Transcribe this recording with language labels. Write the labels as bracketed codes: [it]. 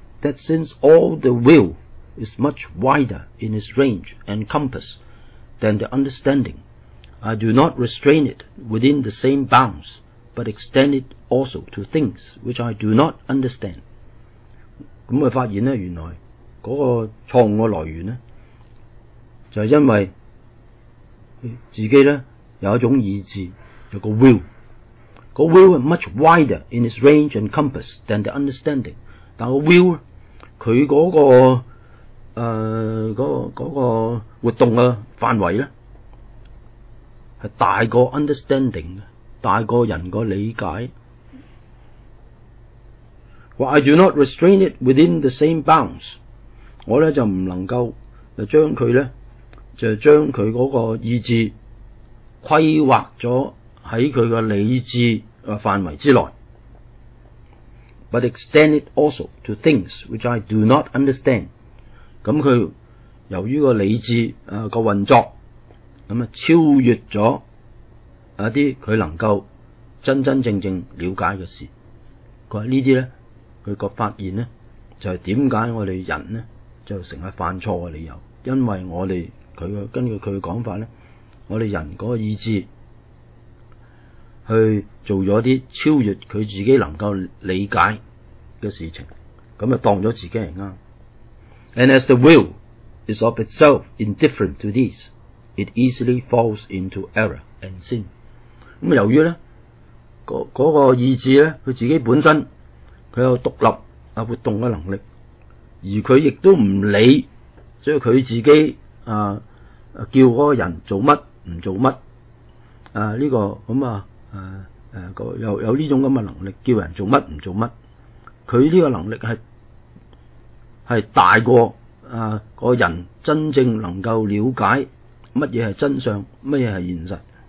[en] that since all the will is much wider in its range and compass than the understanding, I do not restrain it within the same bounds, but extend it also to things which I do not understand. [yue] 咁佢發現咧，原來嗰個錯誤嘅來源咧，就係因為自己咧有一種意志，有個 will。 [en] 個 will is much wider in its range and compass than the understanding。 [yue] 但個 will 佢嗰、那個那個活動嘅範圍咧，係大過 understanding 嘅。大過人的理解。 [en] Well, I do not restrain it within the same bounds. [yue] 我呢就不能夠將它呢就將它那個意志規劃了在它的理智範圍之內。 [en] But extend it also to things which I do not understand. [yue] 那它由於個理智的運作超越了一啲佢能夠真真正正了解嘅事，佢話呢啲咧，佢個發現咧就係點解我哋人咧就成日犯錯嘅理由，因為我哋佢根據佢嘅講法咧，我哋人嗰個意志去做咗啲超越佢自己能夠理解嘅事情，咁啊當咗自己係啱。 [en] And as the will is of itself indifferent to these, it easily falls into error and sin. [yue] 咁由於咧，那個意志咧，佢自己本身佢有獨立活動嘅能力，而佢亦都唔理，所以佢自己叫嗰個人做乜唔做乜呢、這個咁啊有呢種咁嘅能力，叫人做乜唔做乜，佢呢個能力係大過個人真正能夠了解乜嘢係真相，乜嘢係現實。